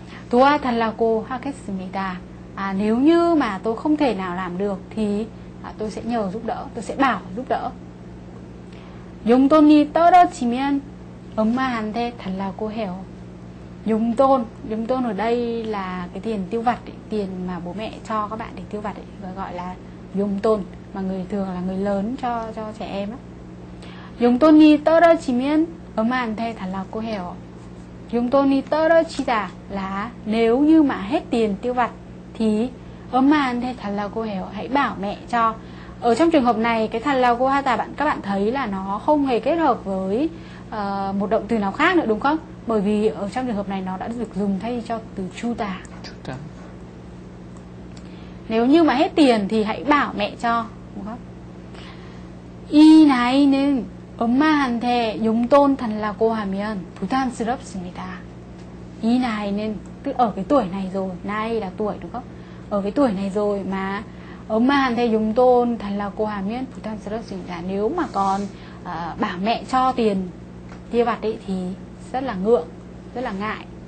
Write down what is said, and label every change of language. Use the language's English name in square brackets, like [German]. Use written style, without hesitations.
[Korean] 도와달라고 하겠습니다. [Vietnamese] À, nếu như mà tôi không thể nào làm được thì tôi sẽ nhờ giúp đỡ, tôi sẽ bảo giúp đỡ. [Korean] 용돈이 떨어지면 엄마한테 달라고 해요. [Vietnamese] 용돈 ở đây là cái tiền tiêu vặt ấy, tiền mà bố mẹ cho các bạn để tiêu vặt ấy, gọi là 용돈, mà người thường là người lớn cho trẻ em á. [Korean] 용돈이 떨어지면 엄마한테 달라고 해요. 용돈이 떨어지다 [Vietnamese] là nếu như mà hết tiền tiêu vặt thì [Korean] 엄마한테 달라고 해요, [Vietnamese] hãy bảo mẹ cho. Ở trong trường hợp này cái 달라고 하다 bạn các bạn thấy là nó không hề kết hợp với một động từ nào khác nữa, đúng không? Bởi vì ở trong trường hợp này nó đã được dùng thay cho từ 주다. Nếu như mà hết tiền thì hãy bảo mẹ cho, đúng không? [Korean] 이 나이는 엄마한테 용돈 달라고 하면 부담스럽습니다. 이 나이는 [Vietnamese] tức ở cái tuổi này rồi, 나이 là tuổi, đúng không? Ở cái tuổi này rồi mà [Korean] 엄마한테 용돈 달라고 하면 부담스럽습니다. [Vietnamese] Nếu mà còn bảo mẹ cho tiền tiêu vặt ấy thì rất là ngượng, rất là ngại.